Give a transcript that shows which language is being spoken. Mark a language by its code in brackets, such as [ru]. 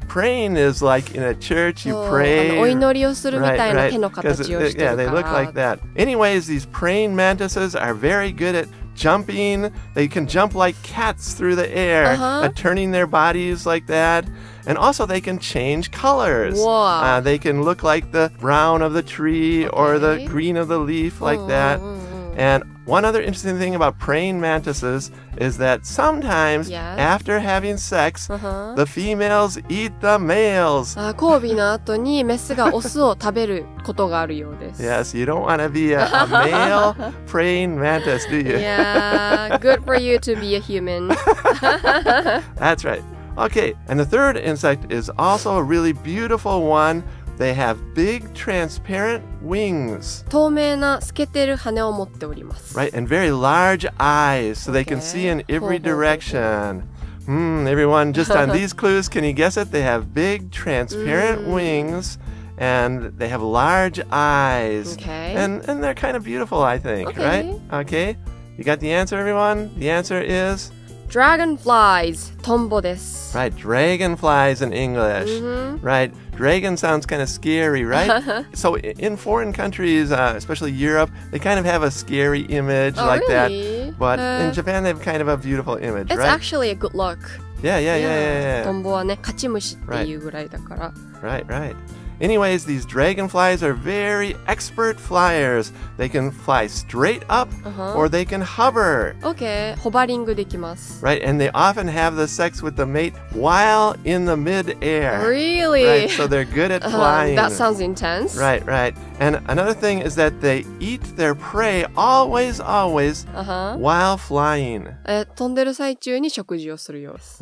[en] Praying is like in a church, you pray. [ja] お祈りをするみたいな手の形をしてるから。 [en] Right, right. Yeah, they look like that. Anyways, these praying mantises are very good at... Jumping, they can jump like cats through the air, turning their bodies like that. And also they can change colors. They can look like the brown of the tree or the green of the leaf like that. And one other interesting thing about praying mantises is that sometimes after having sex, the females eat the males. [ja] 交尾の後にメスがオスを食べることがあるようです。 [en] Yes, you don't want to be a male praying mantis, do you? Yeah, good for you to be a human. That's right. Okay, and the third insect is also a really beautiful one. They have big transparent wings. 透明な透けてる羽を持っております。 Right, and very large eyes, so they can see in every direction. Everyone, just on these clues, can you guess it? They have big transparent wings, and they have large eyes. And they're kind of beautiful, I think, right? Okay, you got the answer, everyone? The answer is... [ja] Dragonflies, トンボです。 [en] Right, dragonflies in English. Right, dragon sounds kind of scary, right? So in foreign countries, especially Europe, they kind of have a scary image that. But in Japan, they have kind of a beautiful image, It's actually a good luck. Yeah. [ja] トンボはね、勝ち虫っていうぐらいだから。 [en] Right. Anyways, these dragonflies are very expert flyers. They can fly straight up、uh-huh. or they can hover. Okay, [ja] hovering できます [en] Right, and they often have the sex with the mate while in the mid-air. Really? Right, so they're good at flying.、 That sounds intense. Right, right. And another thing is that they eat their prey always, always、uh-huh. while flying. [ja] 飛んでる最中に食事をするようです